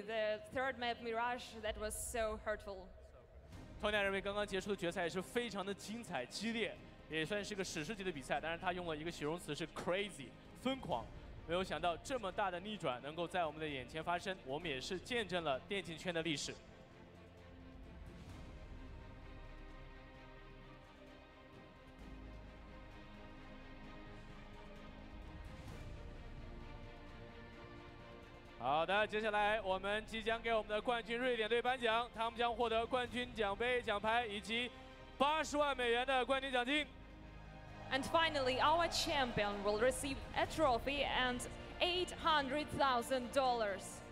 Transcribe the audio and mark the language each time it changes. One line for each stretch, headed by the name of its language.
English: The third map Mirage, that was so hurtful.
Chinese: Tonya 认为刚刚结束的决赛也是非常的精彩激烈。也算是个史诗级的比赛，但是他用了一个形容词是 crazy， 疯狂。没有想到这么大的逆转能够在我们的眼前发生，我们也是见证了电竞圈的历史。好的，接下来我们即将给我们的冠军瑞典队颁奖，他们将获得冠军奖杯、奖牌以及80万美元的冠军奖金。
English: And finally, our champion will receive a trophy and $800,000.